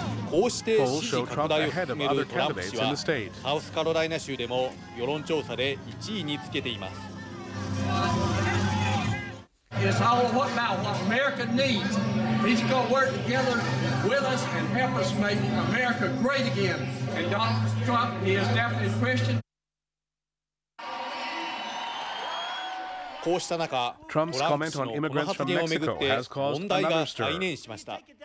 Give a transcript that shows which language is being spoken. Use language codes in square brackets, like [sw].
[ja] こうして支持拡大を進めるトランプ氏は、サウスカロライナ州でも世論調査で1位につけています。 [en] It's all about what America needs. He's going to work together with us and help us make America great again. And Donald Trump, he is definitely a Christian. [ja] こうした中、トランプ氏のこの発言をめぐって問題が再燃しました。